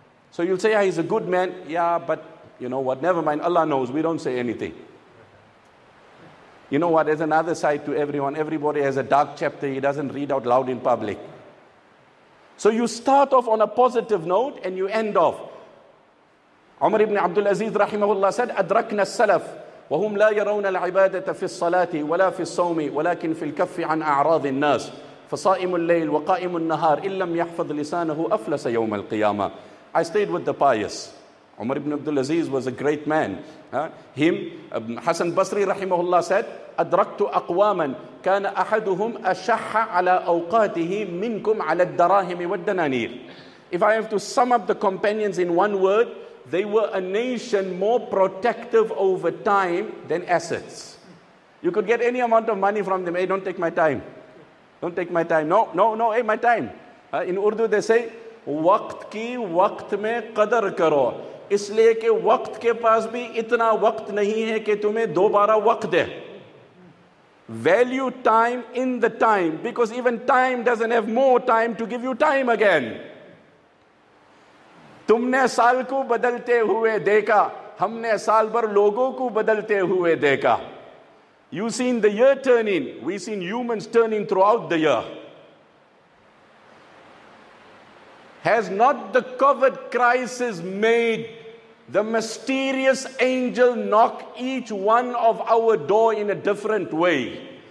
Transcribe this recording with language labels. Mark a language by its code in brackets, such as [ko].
[en] So you'll say, yeah, he's a good man. Yeah, but you know what? Never mind. Allah knows. We don't say anything. You know what? There's another side to everyone. Everybody has a dark chapter. He doesn't read out loud in public. So you start off on a positive note and you end off. Umar ibn Abdul Aziz rahimahullah said, [ar] أَدْرَكْنَا السَّلَفْ وَهُمْ لَا يَرَوْنَ الْعِبَادَةَ فِي الصَّلَاةِ وَلَا فِي الصَّوْمِ وَلَكِنْ فِي الْكَفِّ عَنْ أَعْرَاضِ النَّاسِ فَصَائِمُ اللَّيْلِ وَقَائِمُ النَّهَارِ إِنْ لَمْ يَحْفَظْ لِسَانَهُ أَفْلَسَ يَوْمَ الْقِيَامَةِ. [en] I stayed with the pious. Umar ibn Abdul Aziz was a great man. Him, Hassan Basri rahimahullah said, [ar] أَدْرَكْتُ أَقْوَامًا كَانَ أَحَدُهُمْ أَشَحَّ عَلَىٰ أَوْقَاتِهِ مِنْكُمْ عَلَىٰ الدَّرَاهِمِ وَالدَّنَانِيرِ. [en] If I have to sum up the companions in one word, they were a nation more protective over time than assets. You could get any amount of money from them. Hey, don't take my time. Don't take my time. No. Hey, my time. In Urdu, they say, [ur] وَقْتْ كِي وَقْتْ مَيْ قَدَرْ كَرُوْ. اس لئے کہ وقت کے پاس بھی اتنا وقت نہیں ہے کہ تمہیں دوبارہ وقت دے. [en] Value time in the time, because even time doesn't have more time to give you time again. [ur] تم نے سال کو بدلتے ہوئے دیکھا, ہم نے سال بھر لوگوں کو بدلتے ہوئے دیکھا. [en] You seen the year turning, we seen humans turning throughout the year. Has not the COVID crisis made the mysterious angel knock each one of our door in a different way?